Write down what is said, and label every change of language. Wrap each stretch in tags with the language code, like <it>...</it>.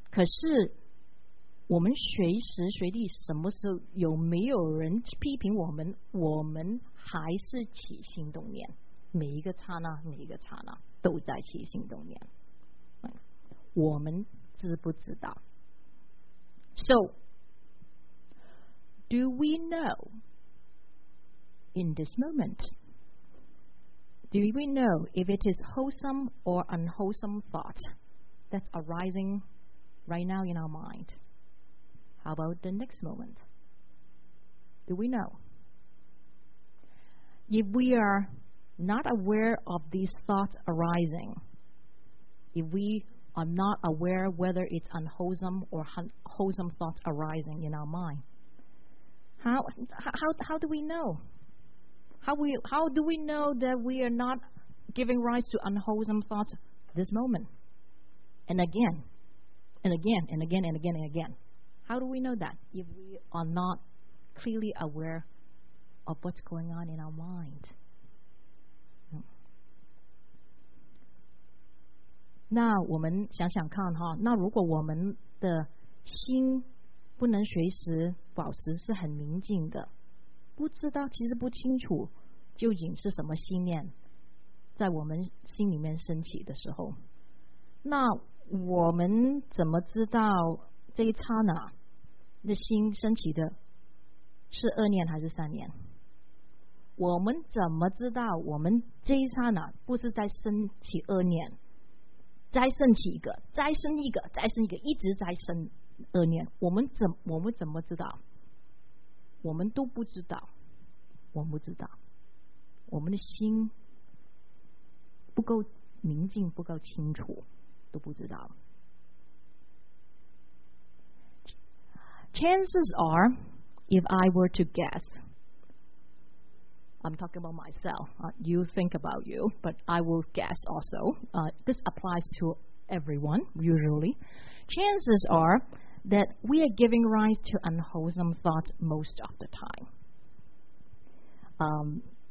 <zh>可是我们随时随地什么时候有没有人批评我们，我们还是起心动念，每一个刹那每一个刹那都在起心动念，我们知不知道？</zh> <en>So do we know in this moment, do we know if it is wholesome or unwholesome thought that's arisingright now in our mind? How about the next moment? Do we know? If we are not aware of these thoughts arising, if we are not aware whether it's unwholesome or wholesome thoughts arising in our mind, how do we know? How do we know that we are not giving rise to unwholesome thoughts this moment? And again,and again and again and again and again. How do we know that if we are not clearly aware of what's going on in our mind?</en> <zh>那我们想想看哈，那如果我们的心不能随时保持是很明净的，不知道，其实不清楚究竟是什么心念在我们心里面升起的时候，那我们怎么知道这一刹那的心升起的是恶念还是善念？我们怎么知道我们这一刹那不是在升起恶念，再升起一个，再升一个，再升一个，一直在升恶念？我们怎么知道？我们都不知道，我们不知道，我们的心不够明净，不够清楚。都不知道。</zh> <en>Chances are, if I were to guess, I'm talking about myself, you think about you, but I will guess also, this applies to everyone, usually. Chances are that we are giving rise to unwholesome thoughts most of the time.</en>